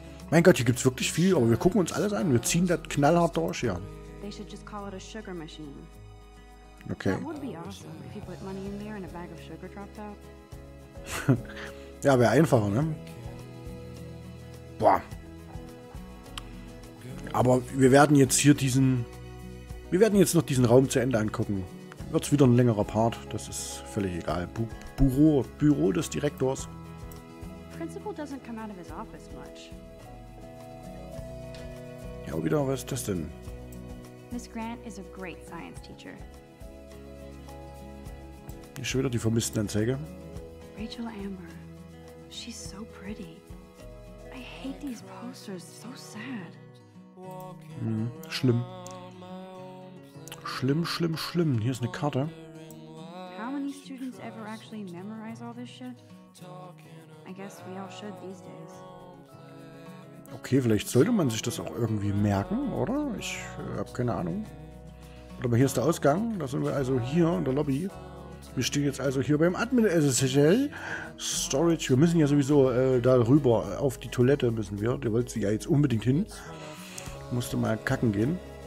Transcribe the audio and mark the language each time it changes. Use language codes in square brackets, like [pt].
[de] Mein Gott, hier gibt's wirklich viel, aber wir gucken uns alles an. Wir ziehen das knallhart durch, ja. [en] They should just call it a sugar machine. Okay. That would be awesome if you put money in there and a bag of sugar dropped out. [de] Ja, wäre einfacher, ne? Boah. Aber wir werden jetzt hier diesen. Wir werden jetzt noch diesen Raum zu Ende angucken. Wird's wieder ein längerer Part, das ist völlig egal. Büro des Direktors. [en] Principal doesn't come out of his office much. [de] Ja, wieder, was ist das denn? [en] Miss Grant is a great science teacher. [de] Hier schon wieder die vermissten Anzeige. [en] Rachel Amber. She's so pretty. I hate these posters. So sad. [de] Schlimm. Schlimm, schlimm, schlimm. Hier ist eine Karte. [en] How many students ever actually memorize all this shit? I guess we all should these days. [de] Okay, vielleicht sollte man sich das auch irgendwie merken, oder? Ich habe keine Ahnung. Aber hier ist der Ausgang. Da sind wir also hier in der Lobby. Wir stehen jetzt also hier beim Admin SSL Storage. Wir müssen ja sowieso darüber auf die Toilette müssen wir. Du wolltest ja jetzt unbedingt hin. Musste mal kacken gehen.